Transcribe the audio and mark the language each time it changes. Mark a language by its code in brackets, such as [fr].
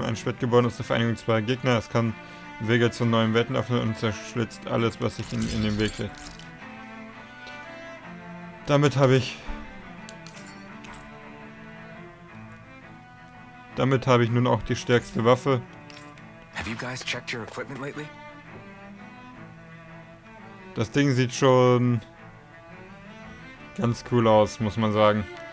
[de] Ein Schwert geboren aus der Vereinigung zweier Gegner. Es kann Wege zu neuen Welten öffnen und zerschlitzt alles, was sich in den Weg legt. Damit habe ich nun auch die stärkste Waffe. [en] Have you guys checked your equipment lately? [de] Das Ding sieht schon ganz cool aus, muss man sagen.